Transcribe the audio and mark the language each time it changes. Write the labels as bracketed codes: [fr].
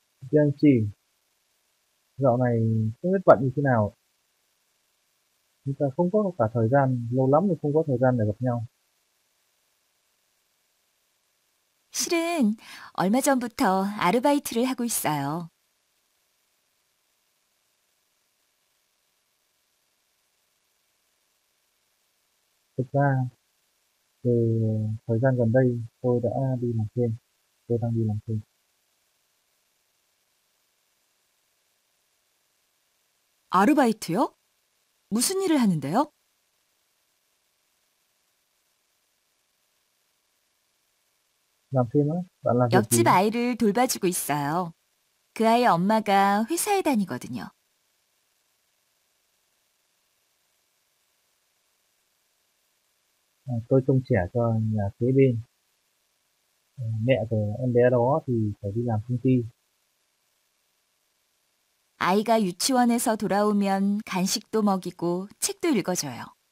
[vi] 지연씨dạo này không biết bận như thế nào. Chúng ta không có cả thời gian, lâu lắm thì không có thời gian để gặp nhau. [ko] 실은 얼마 전부터 아르바이트를 하고 있어요. [vi] thực ra từ thời gian gần đây tôi đã đi làm thêm tôi đang đi làm thêm [ko] 아르바이트요? 무슨 일을 하는데요? 옆집 아이를 돌봐주고 있어요. 그 아이 엄마가 회사에 다니거든요. [vi] 아, tôi trông trẻ cho nhà kế bên. Mẹ của em bé đó thì phải đi làm công ty. [ko] 아이가 유치원에서 돌아오면 간식도 먹이고 책도 읽어줘요.